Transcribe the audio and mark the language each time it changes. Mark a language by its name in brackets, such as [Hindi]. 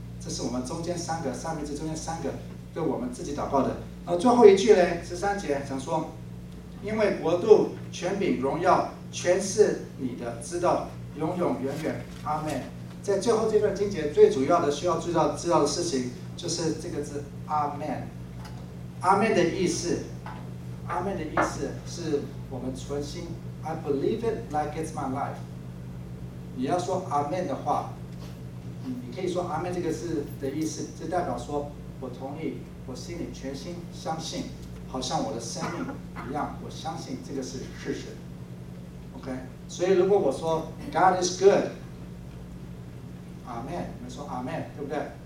[Chinese] 这是我们中间三个，上面这中间三个。对我们自己祷告的，最后一句呢，十三节想说，因为国度、权柄、荣耀，全是你的，知道永永远远，阿门。在最后这段经节，最主要的需要知道的事情，就是这个字阿门。阿门的意思， [English] Amen [Chinese] 的意思是我们存心 [English] I believe it like it's my life。 [Chinese] 你要说 Amen 的话，你可以说 Amen 这个字的意思，这代表说我同意，我心里全心相信，好像我的生命一样，我相信这个是事实。 OK， 所以如果我说 [English] God is good， Amen， [Chinese] 你们说 Amen 对不对？